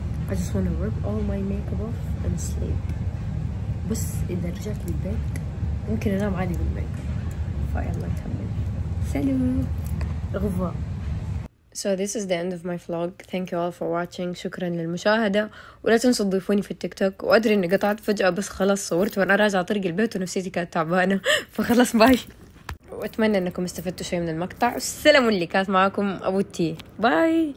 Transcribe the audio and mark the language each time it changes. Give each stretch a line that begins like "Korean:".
English: I just wanna rip all my makeup off and sleep.
Arabic: بس إذا رجعت للبيت ممكن أنام عادي بالميك اب. فيلا نكمل. سلام غفا.
English: So this is the end of my vlog. Thank you all for watching.
Arabic: شكرا للمشاهدة، ولا تنسوا تضيفوني في التيك توك. وأدري إني قطعت فجأة بس خلاص صورت وأنا راجعة طريق البيت ونفسيتي كانت تعبانة، فخلص باي. وأتمنى أنكم استفدتوا شيء من المقطع. والسلام اللي كانت معكم أبو تي. باي.